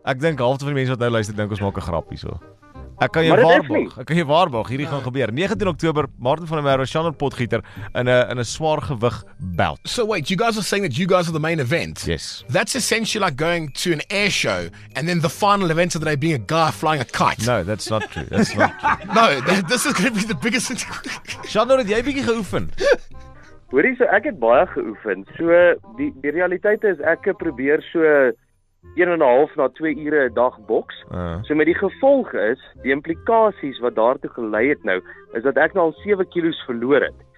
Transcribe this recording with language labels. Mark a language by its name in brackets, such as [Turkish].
[Afrikaans] Ek dink half van die mense wat nou luister, dink ons maak 'n grap hierso. Ek kan jou waarborg. Ek kan jou waarborg, hierdie gaan gebeur. 19 Oktober, Martin van der Merwe, Shandor Potgieter in a swaar gewig belt. [English] So wait, you guys are saying that you guys are the main event? Yes. That's essentially like going to an air show and then the final event of the day being a guy flying a kite. No, that's not true. That's not true. No, this is going to be the biggest thing. [Afrikaans] Shandor, het jy bietjie geoefen? Hoorie, so ek het baie geoefen. So die realiteit is ek probeer so 1.5 na 2 ure 'n dag boks. So met die gevolg is, die implikasies wat daartoe gelei het nou, is dat ek nou al 7 kilos verloor het.